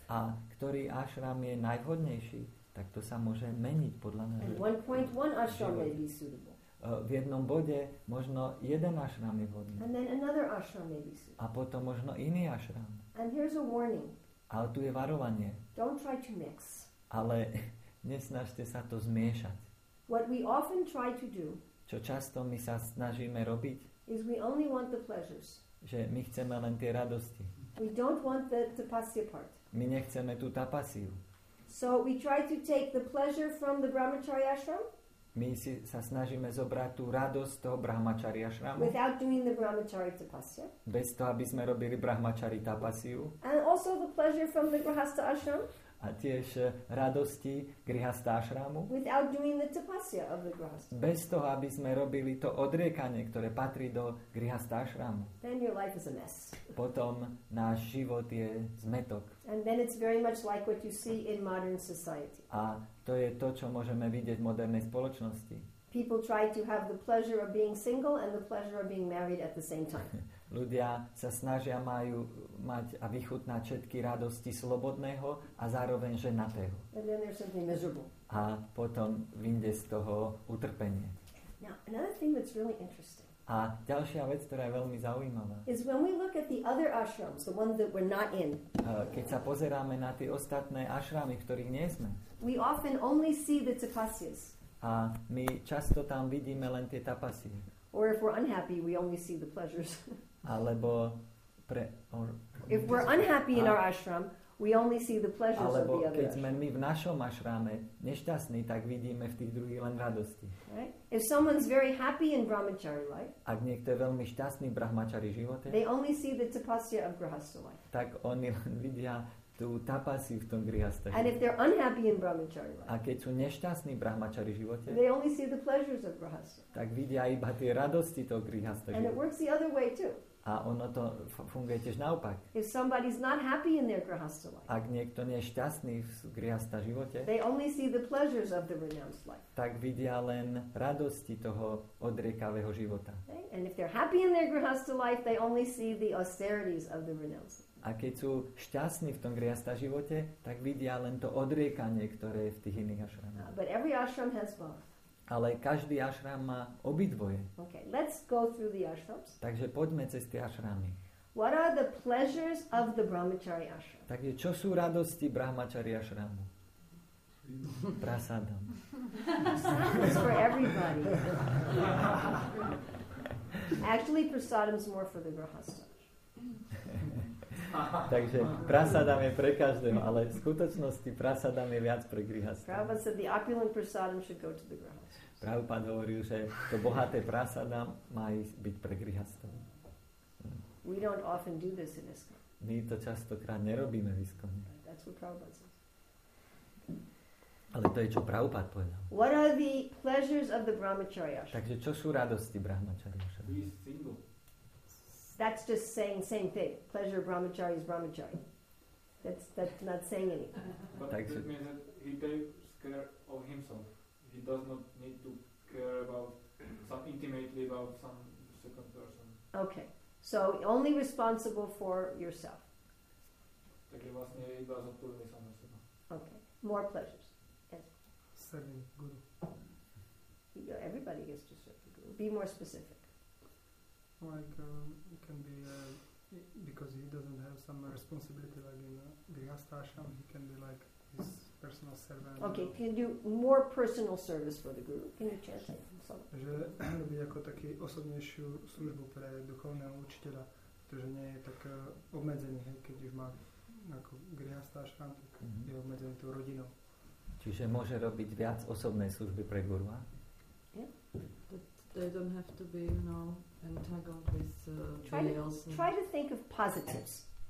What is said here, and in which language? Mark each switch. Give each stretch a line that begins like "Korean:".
Slovak: A ktorý ashram je najvhodnejší, tak to sa môže meniť podľa nášho.
English: And 1.1 ashram may be suitable.
Slovak: V jednom bode možno jeden ashram je vhodný.
English: And then another ashram may be suitable.
Slovak: A potom možno iný ashram.
English: And here's a warning.
Slovak: Ale tu je varovanie.
English: Don't try to mix.
Slovak: Ale nesnažte sa to zmiešať.
English: What we often try to do,
Slovak: čo často my sa snažíme robiť,
English: is we only want the pleasures.
Slovak: Že my chceme len tie radosti.
English: We don't want the tapasya part.
Slovak: My nechceme tú tapasiu.
English: So we try to take the pleasure from the brahmacharya ashram.
Slovak: My si sa snažíme zobrať tú radosť toho brahmacharya ashramu.
English: Without doing the brahmacharya tapasya.
Slovak: Bez toho, aby sme robili brahmacharya tapasiu.
English: And also the pleasure from the grihastha ashram.
Slovak: A tiež radosti grihastha ashramu.
English: Without doing the tapasya of the grihastha.
Slovak: Bez toho, aby sme robili to odriekanie, ktoré patrí do grihastha ashramu.
English: Then your life is a mess.
Slovak: Potom náš život je zmetok.
English: And then it's very much like what you see in modern society.
Slovak: A to je to, čo môžeme vidieť v modernej spoločnosti.
English: People try to have the pleasure of being single and the pleasure of being married at the same time.
Slovak: Ľudia sa snažia majú mať a vychutnať všetky radosti slobodného a zároveň ženatého.
English: And then there's something miserable.
Slovak: A potom vyjde z toho utrpenie.
English: Now, another thing that's really interesting.
Slovak: A ďalšia vec, ktorá je veľmi zaujímavá.
English: Is when we look at the other ashrams, the ones that we're not in.
Slovak: Keď sa pozeráme na tie ostatné ashramy, v ktorých nie sme.
English: We often only see the tapasyas.
Slovak: A my často tam vidíme len tie tapasie.
English: Or if we're unhappy, we only see the pleasures.
Slovak: Alebo pre
English: if we're unhappy in our ashram, we only see the pleasures
Slovak: alebo
English: of the other.
Slovak: Keď sme my v našom ashrame nešťastní, tak vidíme v tých druhých len radosti.
English: Right? If someone's very happy in brahmachari life,
Slovak: ak niekto je veľmi šťastný v brahmachari živote,
English: they only see the tapasya of grihastha life.
Slovak: Tak oni len vidia tú tapasiu v tom grihastha živote.
English: And if they're unhappy in brahmachari life,
Slovak: a keď sú nešťastní v brahmachari živote,
English: they only see the pleasures of grihastha.
Slovak: Tak vidia iba tie radosti toho grihastha živote.
English: And it works the other way too.
Slovak: A ono to funguje tiež naopak.
English: If somebody's not happy in their grihastha life,
Slovak: ak niekto nie je šťastný v grihastha živote,
English: they only see the pleasures of the renounced life.
Slovak: Tak vidia len radosti toho odriekavého života.
English: Okay? And if they're happy in their grihastha life, they only see the austerities of the renounced life.
Slovak: A keď sú šťastní v tom grihastha živote, tak vidia len to odriekanie, ktoré je v tých iných ashramoch.
English: But every ashram has both.
Slovak: Ale každý ashram má obidvoje.
English: Okay, let's go through the ashrams.
Slovak: Takže poďme cez tie ashramy.
English: What are the pleasures of the brahmachari ashram?
Slovak: Takže čo sú radosti brahmachari ashramu?
English: Prasadam. It's for everybody. Actually, prasadam is more for the grihastha.
Slovak: Takže prasadam je pre každého, ale v skutočnosti prasadam je viac pre grihastha.
English: Prabhupada said the opulent prasadam should go to the grihastha.
Slovak: Prabhupada hovoril, že to bohaté prasada má byť pre grihastov.
English: We don't often do this in ISKCON.
Slovak: My to častokrát nerobíme v ISKCON.
English: That's what Prabhupada says.
Slovak: Ale to je, čo Prabhupada povedal.
English: What are the pleasures of the brahmacharya?
Slovak: Takže čo sú radosti brahmacharya?
English: Be single. That's just saying same thing. Pleasure brahmacharya is brahmacharya. That's not saying anything. But that means that he takes care of himself. He does not need to care about some intimately about some second person. Okay. So only responsible for yourself.
Slovak: Takže vlastne iba zodpovedný sám za seba.
English: Okay. More pleasures. Yes. Serving guru. Everybody gets to serve the guru. Be more specific. Like it can be because he doesn't have some responsibility like in Grihastha Ashram, he can be like his personal servant. Okay, can you do more personal service for the guru? Can you chant it?
Slovak: Že robí ako taký osobnejšiu službu pre duchovného učiteľa, pretože nie je tak obmedzený, hej, keď už má ako Grihastha Ashram, tak je obmedzený tú rodinou. Čiže môže robiť viac osobnej služby pre guru?
English: Yeah. They don't have to be, you know, entangled with anybody else. Try to think of positives.